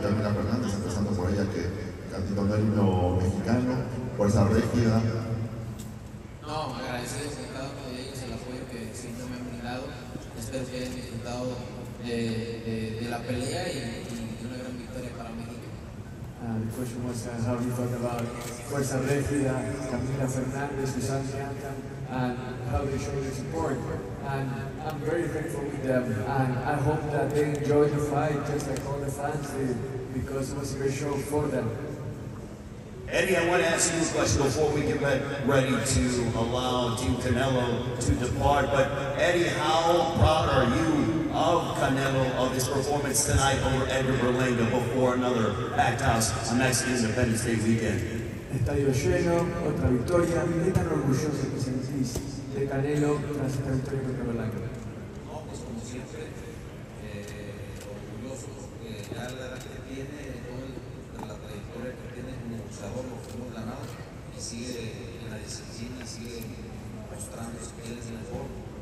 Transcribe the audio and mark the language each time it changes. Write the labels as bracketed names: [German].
[Spanish] Camila Fernández, empezando por ella, que cantó el himno mexicano, Fuerza Regida. No, agradecido a cada uno de ellos el apoyo que siempre me han brindado. Espero que hayan disfrutado de la pelea y una gran victoria para México. [English] The question was, how you talk about Fuerza Regida, Camila Fernández, Susana Santa, and how they show their support. And I'm very grateful with them, and I hope that they enjoy the fight just like all the fans did, because it was a great show for them. Eddie, I want to ask you this question before we get ready to allow Team Canelo to depart. But Eddie, how proud are you of Canelo, of his performance tonight over Edgar Berlanga before another packed house on Mexican Independence Day weekend? [Spanish] Estadio lleno, otra victoria, y tan orgulloso que sentís de Canelo tras esta victoria contra Berlanga. No, pues como siempre, orgulloso, porque ya la edad que tiene, toda la trayectoria que tiene como boxeador, lo que hemos ganado, y sigue en la disciplina, sigue mostrando sus pieles en el foro.